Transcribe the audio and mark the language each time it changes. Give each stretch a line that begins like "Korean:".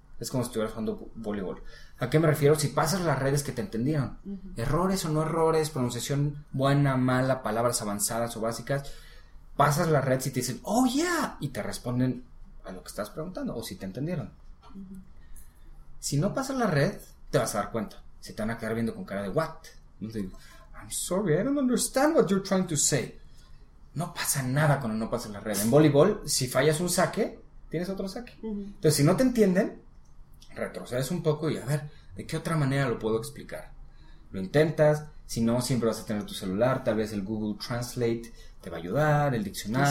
Spanish: Es como si estuvieras jugando voleibol. ¿A qué me refiero? Si pasas las redes que te entendieron. Uh-huh. Errores o no errores, pronunciación buena, mala, palabras avanzadas o básicas. Pasas la red si te dicen,
English: ¡oh, yeah!
Spanish: Y te responden a lo que estás preguntando o si te entendieron. Uh-huh. Si no pasas la red, te vas a dar cuenta. Se te van a quedar viendo con cara de, ¿what?
English: I'm sorry, I don't understand what you're trying to say.
Spanish: No pasa nada cuando no pasas la red. En voleibol, si fallas un saque, tienes otro saque. Uh-huh. Entonces, si no te entienden, retrocedes un poco y a ver, ¿de qué otra manera lo puedo explicar? Lo intentas, si no, siempre vas a tener tu celular, tal vez el Google Translate te va a ayudar, el diccionario.